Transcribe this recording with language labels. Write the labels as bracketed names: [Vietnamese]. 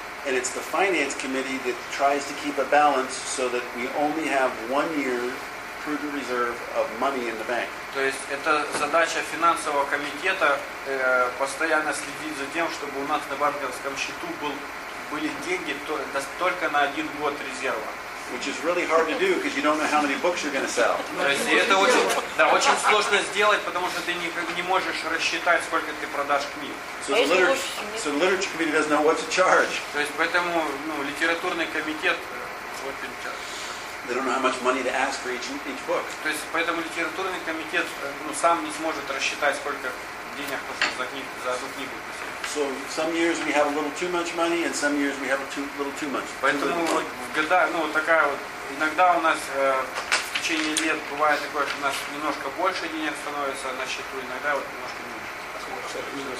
[English] And it's the finance committee that tries to keep a balance so that we only have 1 year prudent reserve of money in the bank. [Russian] То есть это задача финансового комитета постоянно следить за тем, чтобы у нас на банковском счету были деньги только на 1 год резерва. [English] Which is really hard to do because you don't know how many books you're going to sell. [Russian] Это очень сложно сделать, потому что ты не можешь рассчитать, сколько ты продашь книг. [English] So the literature committee doesn't know what to charge. [Russian] То есть поэтому литературный комитет вот не [English] charge. They don't know how much money to ask for each book. [Russian] То есть поэтому литературный комитет сам не сможет рассчитать, сколько денег нужно за одну книгу. [English] So some years we have a little too much money, and some years we have a little too much. [Russian] Поэтому в годах, ну такая вот, иногда у нас в течение лет бывает такое, что у нас немножко больше денег становится на счету, иногда вот немножко меньше.